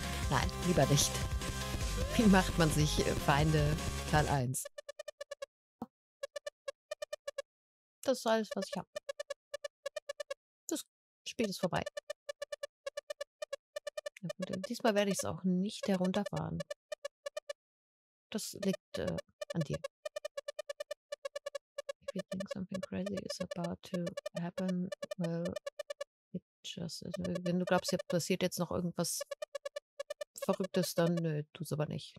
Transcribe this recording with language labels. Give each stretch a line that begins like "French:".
German: Nein, lieber nicht. Wie macht man sich Feinde Teil 1? Das ist alles, was ich habe. Das Spiel ist vorbei. Ja, gut, diesmal werde ich es auch nicht herunterfahren. Das liegt an dir.
English: If you think something crazy is about to happen, well, it just is.
German: Wenn du glaubst, hier passiert jetzt noch irgendwas Verrücktes, dann nö, tu's aber nicht.